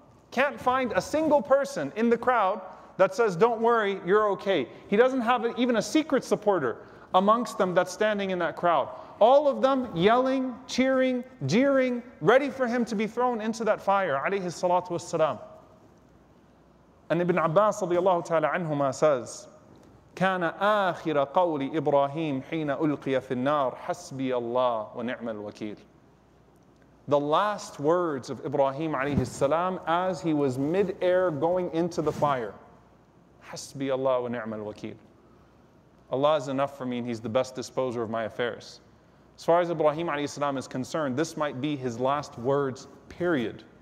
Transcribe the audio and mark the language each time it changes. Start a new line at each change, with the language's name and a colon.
English: Can't find a single person in the crowd that says, don't worry, you're okay. He doesn't have even a secret supporter amongst them that's standing in that crowd. All of them yelling, cheering, jeering, ready for him to be thrown into that fire, alayhi salatu wassalam.
Arabic: And Ibn Abbas radiallahu ta'ala anhuma says, كَانَ آخِرَ قَوْلِ إِبْرَاهِيمِ حِينَ أُلْقِيَ فِي النَّارِ حَسْبِيَ اللَّهِ وَنِعْمَ الْوَكِيلِ.
English: The last words of Ibrahim alayhi salam as he was mid-air going into the fire. Hasbi Allah wa ni'mal wakeel. Allah is enough for me and He's the best disposer of my affairs. As far as Ibrahim alayhi salam is concerned, this might be his last words, period.